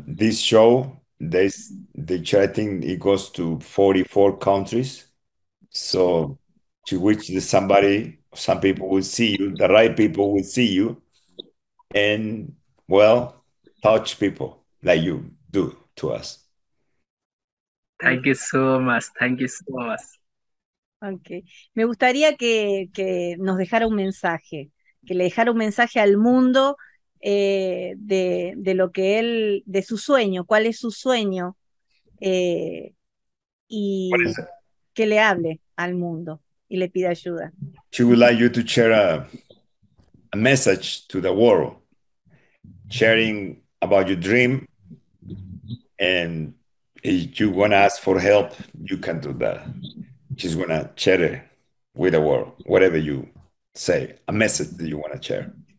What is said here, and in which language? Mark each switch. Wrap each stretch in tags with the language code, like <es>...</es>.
<en>This show, I think it goes to 44 countries. So to which some people will see you, the right people will see you, and well, touch people like you do to us. Thank you so much. Thank you so much. Okay.</en> <es>Me gustaría que nos dejara un mensaje, que le dejara un mensaje al mundo, de lo que él, de su sueño, cuál es su sueño, y que le hable al mundo y le pida ayuda.</es> <en>She would like you to share a message to the world, sharing about your dream, and if you want to ask for help, you can do that. She's going to share it with the world, whatever you say, a message that you want to share.</en>